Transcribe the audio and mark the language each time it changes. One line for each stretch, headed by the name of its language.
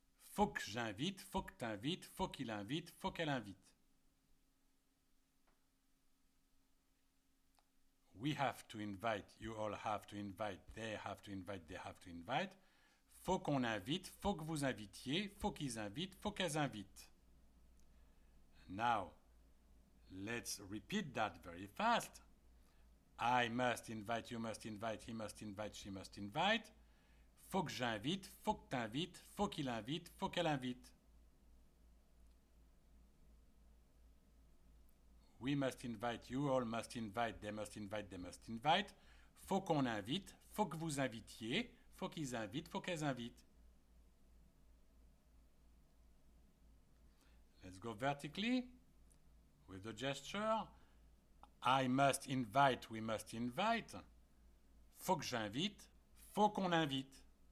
French: Faut que j'invite, faut que t'invite, faut qu'il invite, faut qu'elle invite.
English: We have to invite, you all have to invite, they have to invite, they have to invite.
French: Faut qu'on invite, faut que vous invitiez, faut qu'ils invitent, faut qu'elles invitent.
English: Now, let's repeat that very fast. I must invite, you must invite, he must invite, she must invite.
French: Faut que j'invite, faut que t'invites, faut qu'il invite, faut qu'elle invite.
English: We must invite, you all must invite, they must invite, they must invite.
French: Faut qu'on invite, faut que vous invitiez, faut qu'ils invitent, faut qu'elles invitent.
English: Let's go vertically with the gesture. I must invite, we must invite.
French: Faut que j'invite, faut qu'on invite.